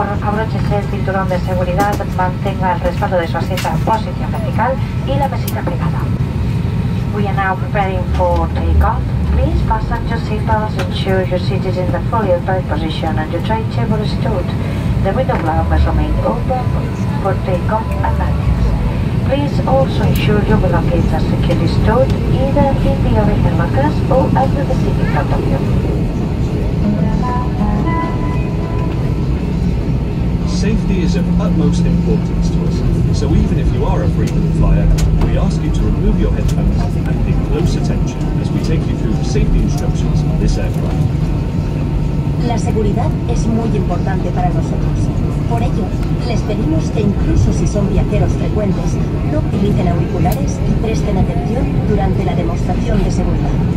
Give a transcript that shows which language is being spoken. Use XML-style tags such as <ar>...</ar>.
<es>De seguridad, mantenga el respaldo de su asiento en posición vertical y la mesita pegada.</es> <en>We are now preparing for takeoff. Please fasten your seatbelts, ensure your seat is in the fully upright position and your tray table is stowed. The window will always remain open for takeoff and landings. Please also ensure your belongings are securely stowed either in the overhead lockers or under the seat in front of you. Safety is of utmost importance to us, so even if you are a frequent flyer, we ask you to remove your headphones and pay close attention as we take you through the safety instructions on this aircraft.</en> <es>La seguridad es muy importante para nosotros. Por ello, les pedimos que incluso si son viajeros frecuentes, no utilicen auriculares y presten atención durante la demostración de seguridad.</es>